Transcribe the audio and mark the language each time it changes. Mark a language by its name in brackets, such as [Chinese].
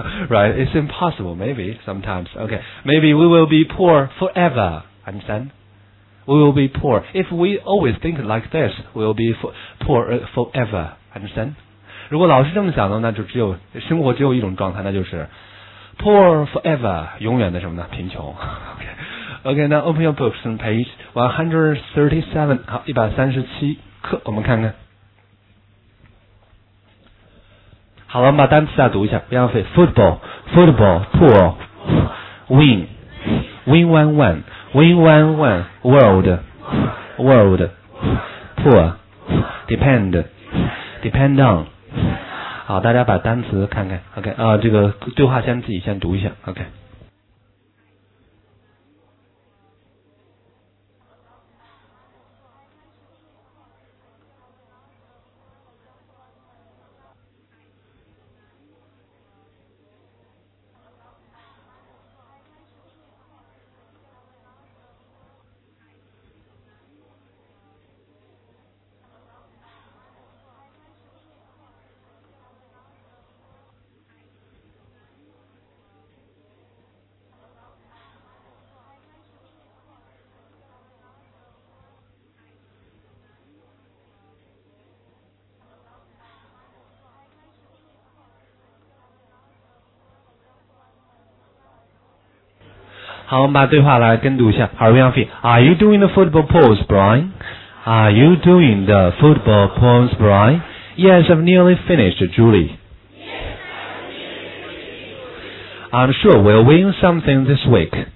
[English] Right, it's impossible, maybe, sometimes. Okay, maybe we will be poor forever. Understand? We will be poor. If we always think like this, we will be poor forever. Understand? [Chinese] 如果老是这么想的，那就只有生活只有一种状态，那就是 [English] poor forever, [Chinese] 永远的什么呢？贫穷。 [English] Okay, now open your books on page 137, [Chinese] 好137课，我们看看。好了，我们把单词再读一下，不要费。 [English] Football, football, poor, win, win one one. Win one one, world, world, poor, depend, depend on. [Chinese] 好，大家把单词看看。 OK, 这个对话先自己先读一下。 OK。好，我们把对话来跟读一下。 [English] Are you happy? Are you doing the football pools, Brian? Are you doing the football pools, Brian? Yes, I've nearly finished, Julie. I'm sure we'll win something this week.